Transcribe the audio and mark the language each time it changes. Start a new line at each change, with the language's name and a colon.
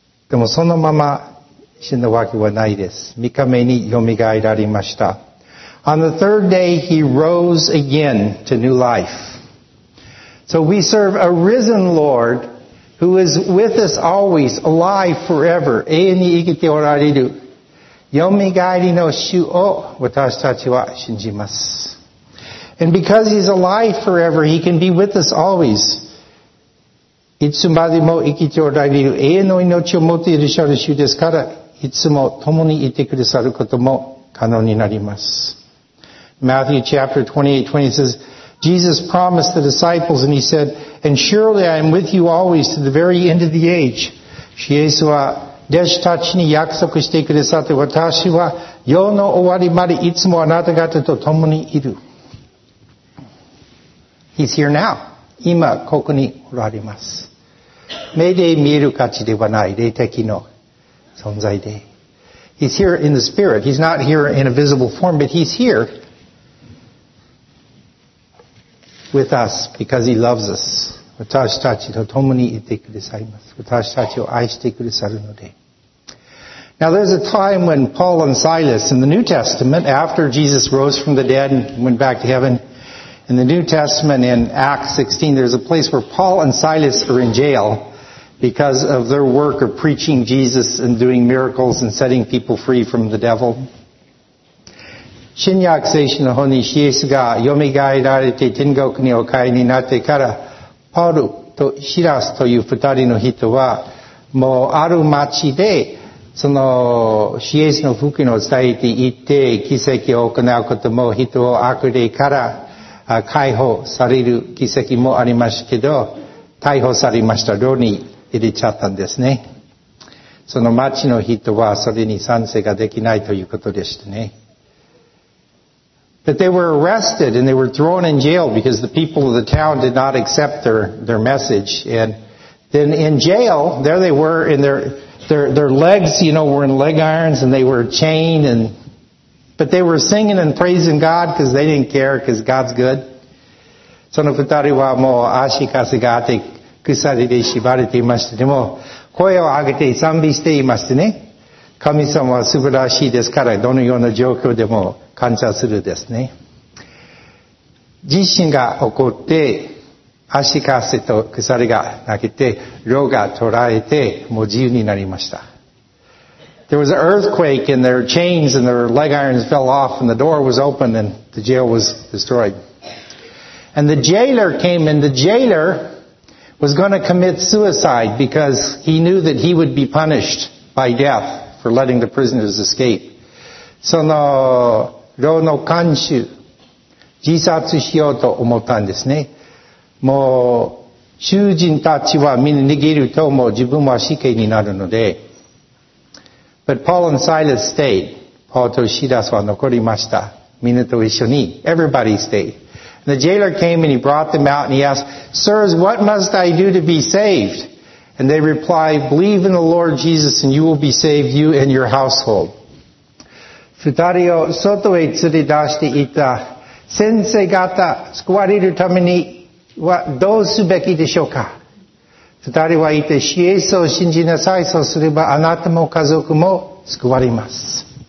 Japanese: でもそのまま死ぬわけはないです。3日目によみがえられました。
English: On the third day, he rose again to new life. So we serve a risen Lord who is with us always, alive forever.
Japanese: 永遠に生きておられる。よみがえりの主を私たちは信じます。
English: And because he's alive forever, he can be with us always.
Japanese: いつまでも生きておられる永遠の命を持っていらっしゃる主ですから、いつも共にいてくださることも可能になります。
English: Matthew chapter 28:20 says, Jesus promised the disciples and he said, And surely I am with you always to the very end of the age.
Japanese: イエスは弟子たちに約束してくださって、私は世の終わりまでいつもあなた方と共にいる。
English: He's here now.
Japanese: 今ここにおられます。目で見える価値ではない、霊的の存在で。
English: He's here in the spirit. He's not here in a visible form, but he's here. With us, because he loves us.
Japanese: 私たちと共にいてくださいます。私たちを愛してくださるので。
English: Now there's a time when Paul and Silas in the New Testament, after Jesus rose from the dead and went back to heaven, in the New Testament in Acts 16, there's a place where Paul and Silas are in jail because of their work of preaching Jesus and doing miracles and setting people free from the devil.
Japanese: 新約聖書の方にイエスがよみがえられて天国にお帰りになってから、パウルとシラスという二人の人は、もうある町で、その、イエスの福音を伝えていて、奇跡を行うことも、人を悪霊から解放される奇跡もありましたけど、逮捕されました。牢に入れちゃったんですね。その町の人は、それに賛成ができないということでしたね。
English: But they were arrested and they were thrown in jail because the people of the town did not accept their message. And then in jail, there they were in their legs, you know, were in leg irons and they were chained and, but they were singing and praising God because they didn't care because God's good.
Japanese: その二人はもう足かせがあって鎖で縛れていました。でも声を上げて賛美していましたね。神様は素晴らしいですから、どのような状況でも感謝するですね。地震が起こって、足かせと鎖が投げて、牢が捕らえて、もう自由になりました。
English: There was an earthquake and their chains and their leg irons fell off and the door was open and the jail was destroyed. And the jailer came and the jailer was going to commit suicide because he knew that he would be punished by death. For letting the prisoners escape.
Japanese: その、牢の看守、自殺しようと思ったんですね。もう、囚人たちはみんな逃げると、もう自分は死刑になるので。
English: But Paul and Silas stayed.
Japanese: Paul とシラスは残りました。みんなと一緒に。
English: Everybody stayed.、And、the jailer came and he brought them out and he asked, Sirs, what must I do to be saved? And they reply, believe in the Lord Jesus and you will be saved, you and your household.
Japanese: 二人を外へ連れ出していた先生方、救われるためにはどうすべきでしょうか。二人は言って、イエスを信じなさい、そうすればあなたも家族も救われます。